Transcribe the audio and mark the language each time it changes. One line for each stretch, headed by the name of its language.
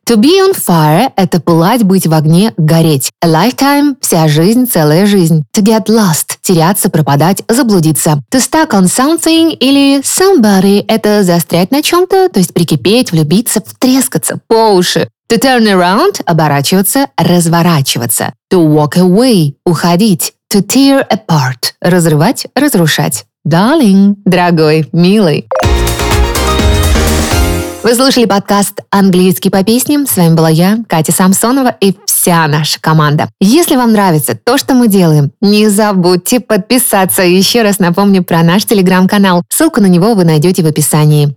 English: To be on fire
Russian: – это пылать, быть в огне, гореть.
English: A lifetime
Russian: – вся жизнь, целая жизнь.
English: To get lost –
Russian: теряться, пропадать, заблудиться.
English: To stuck on something
Russian: или
English: somebody
Russian: – это застрять на чем-то, то есть прикипеть, влюбиться, втрескаться по уши.
English: To turn around –
Russian: оборачиваться, разворачиваться.
English: To walk away –
Russian: уходить.
English: To tear apart –
Russian: разрывать, разрушать. Darling – дорогой, милый. Вы слушали подкаст «Английский по песням». С вами была я, Катя Самсонова, и вся наша команда. Если вам нравится то, что мы делаем, не забудьте подписаться. Еще раз напомню про наш телеграм-канал. Ссылку на него вы найдете в описании.